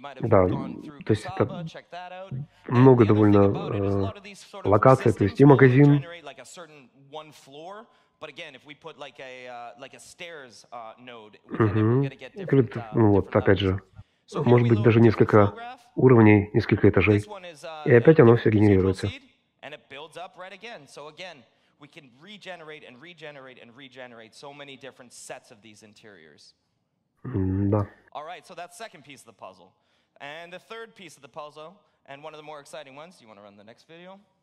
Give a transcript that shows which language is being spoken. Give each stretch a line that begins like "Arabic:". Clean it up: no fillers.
Russian: Да, то есть это много довольно локаций, то есть и магазин.
English: But again, if we put like a stairs node, we're gonna get different levels.
Russian: So, может быть, даже несколько уровней, несколько этажей, и опять оно все генерируется.
English: And it builds up right again. So again, we can regenerate and regenerate and regenerate so many different sets of these interiors.
Russian: Да.
English: All right, so that's second piece of the puzzle, and the third piece of the puzzle, and one of the more exciting ones. Do you want to run the next video?